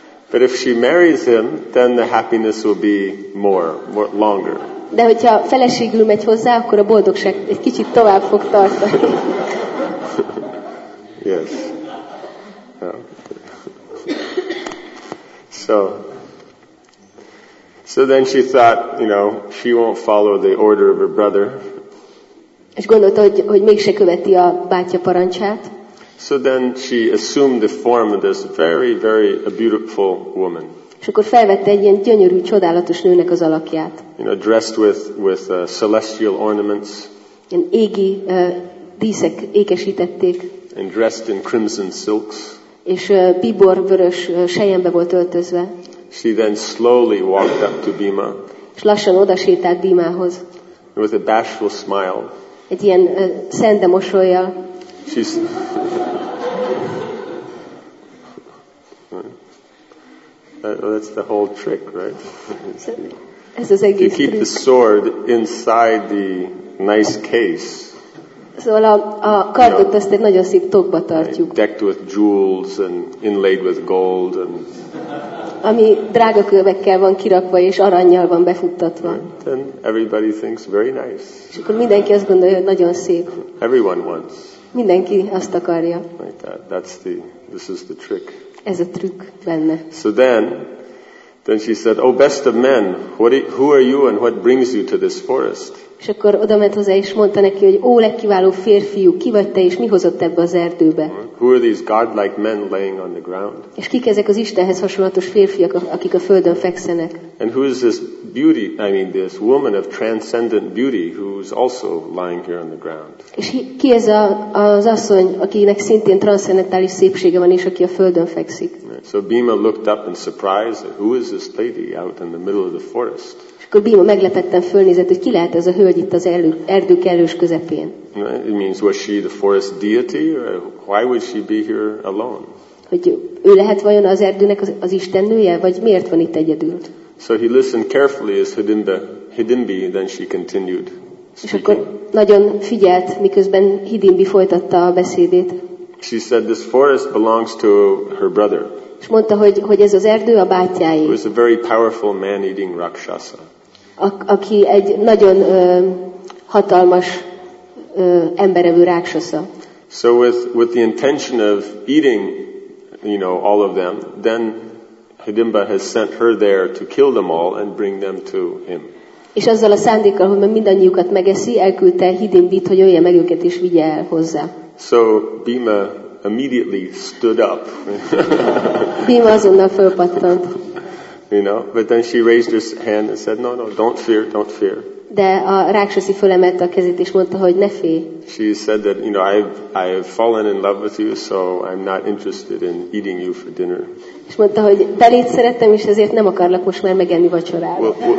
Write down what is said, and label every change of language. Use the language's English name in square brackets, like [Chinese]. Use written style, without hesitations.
[English] But if she marries him, then the happiness will be more longer. [Hungarian] De hogyha feleségül megy hozzá, akkor a boldogság egy kicsit tovább fog tartani. [English] Yes. So then she thought, you know, she won't follow the order of her brother. [Hungarian] És gondolta, hogy mégse követi a bátyja parancsát. [English] So then she assumed the form of this very, very beautiful woman. [Hungarian] És akkor felvette egy ilyen gyönyörű, csodálatos nőnek az alakját. [English] You know, dressed with celestial ornaments. [Hungarian] Ilyen égi díszek ékesítették. [English] And dressed in crimson silks. [Hungarian] És bíbor vörös sejembe volt öltözve. [English] She then slowly walked up to Bhima. [Hungarian] És lassan odasétált Bhimához. [English] With a bashful smile. [Hungarian] Egy ilyen szende mosolyjal. [English] That's the whole trick, right? [Hungarian] Ez az egész trükk. [English] You keep the sword inside the nice case. [Hungarian] Szóval a kardot, [English] you know, [Hungarian] azt egy nagyon szép tokba tartjuk. [English] Decked with jewels and inlaid with gold. And [Hungarian] ami drága kövekkel van kirakva és arannyal van befuttatva. [English] And everybody thinks very nice. [Hungarian] És akkor mindenki azt gondolja, hogy nagyon szép. [English] Everyone wants. [Hungarian] Mindenki azt akarja. [English] Like that. That's the, this is the trick. [Hungarian] Ez a trükk benne. [English] So then she said, "Oh, best of men, who are you and what brings you to this forest?" [Hungarian] És akkor odament hozzá és mondta neki, hogy ó, legkiváló férfiú, ki vagy te és mi hozott ebbe az erdőbe? [English] Who are these godlike men laying on the ground? [Hungarian] És kik ezek az Istenhez hasonlatos férfiak, akik a földön fekszenek? [English] And who is this beauty, I mean this woman of transcendent beauty who's also lying here on the ground? [Hungarian] És ki ez az asszony, akinek szintén transzcendentális szépsége van és aki a földön fekszik? [English] So Bhima looked up in surprise, who is this lady out in the middle of the forest? [Hungarian] Akkor Bhima meglepetten fölnézett, hogy ki lehet ez a hölgy itt az erdő kellős közepén. [English] It means, was she the forest deity? Why would she be here alone? [Hungarian] Hogy ő lehet vajon az erdőnek az istennője, vagy miért van itt egyedül? [English] So he listened carefully as Hidimbi, then she continued speaking. [Hungarian] És akkor nagyon figyelt, miközben Hidimbi folytatta a beszédét. [English] She said, this forest belongs to her brother. [Hungarian] És mondta, hogy ez az erdő a bátyái. [English] Who is a very powerful man-eating rakshasa. [Hungarian] Aki egy nagyon hatalmas emberevő rakshasa. [English] So with the intention of eating, you know, all of them, then Hidimba has sent her there to kill them all and bring them to him. [Hungarian] És azzal a szándékkal, hogy mindannyiukat megeszi, elküldte Hidimbit, hogy ölje meg őket és vigye el hozzá. [English] So Bhima immediately stood up. [Hungarian] Bhima azonnal fölpattant. [English] You know, but then she raised her hand and said, no, don't fear, don't fear. [Hungarian] De a rákshasi fölemelte a kezét és mondta, hogy ne félj. [English] She said that, you know, I've fallen in love with you, so I'm not interested in eating you for dinner. [Hungarian] És mondta, hogy beléd szerettem, és ezért nem akarlak most már megenni vacsorára.